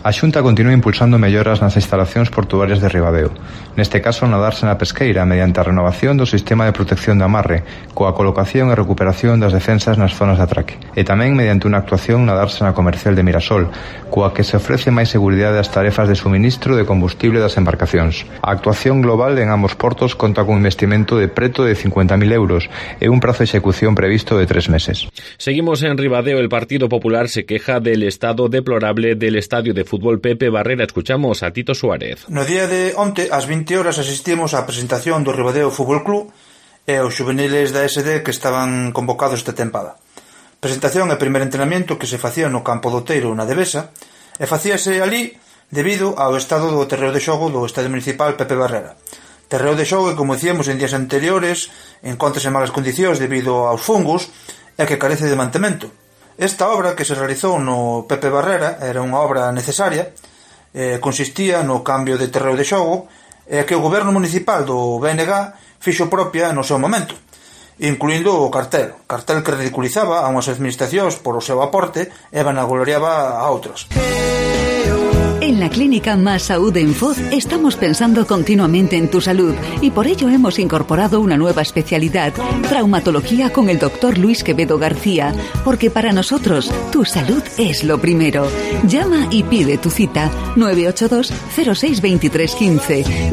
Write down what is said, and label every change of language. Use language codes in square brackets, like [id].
[es] A Xunta continúa impulsando mejoras en las instalaciones portuarias de Ribadeo, en este caso en la Dársena Pesqueira, mediante a renovación del sistema de protección de amarre, coa colocación y recuperación de las defensas en las zonas de atraque, y también mediante una actuación en la Dársena Comercial de Mirasol, [gl] coa que se ofrece máis seguridade ás tarefas de suministro de combustible das embarcacións. A actuación global en ambos portos conta con un investimento de preto de 50.000 euros e un prazo de execución previsto de 3 meses. [es] Seguimos en Ribadeo. El Partido Popular se queja del estado deplorable del estadio de fútbol Pepe Barrera. Escuchamos a Tito Suárez. [gl] No día de onte, ás 20 horas, asistimos á presentación do Ribadeo Fútbol Club e aos juveniles da SD que estaban convocados esta tempada. Presentación e primer entrenamiento que se facía no campo do Teiro na Devesa e facíase ali debido ao estado do terreo de xogo do Estadio Municipal Pepe Barrera. Terreo de xogo, como dicíamos en días anteriores, encontrase en malas condicións debido aos fungos e que carece de mantemento. Esta obra que se realizou no Pepe Barrera era unha obra necesaria, consistía no cambio de terreo de xogo e que o goberno municipal do BNG fixo propia no seu momento, incluindo o cartel que ridiculizaba a unhas administracións por o seu aporte e vanagloriaba a outras. [es] En la la clínica Más Saúde en Foz estamos pensando continuamente en tu salud y por ello hemos incorporado una nueva especialidad, traumatología con el doctor Luis Quevedo García, porque para nosotros tu salud es lo primero. Llama y pide tu cita 982-06-2315.